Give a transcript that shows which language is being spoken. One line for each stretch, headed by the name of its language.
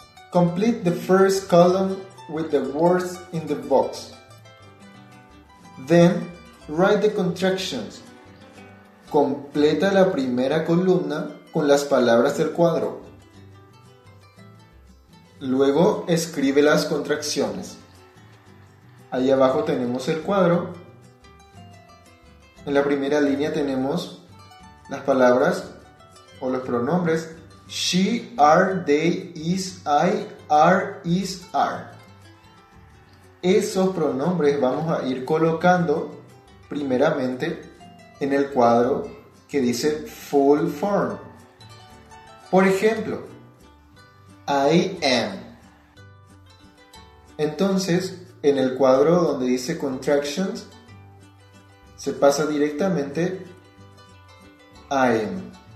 English: Complete the first column with the words in the box. Then, write the contractions.
Spanish: Completa la primera columna con las palabras del cuadro. Luego, escribe las contracciones. Ahí abajo tenemos el cuadro. En la primera línea tenemos las palabras o los pronombres.
English: She, are, they, is, I, are, is, are.
Spanish: Esos pronombres vamos a ir colocando primeramente en el cuadro que dice
English: full form.
Spanish: Por ejemplo,
English: I am.
Spanish: Entonces, en el cuadro donde dice contractions, se pasa directamente I am.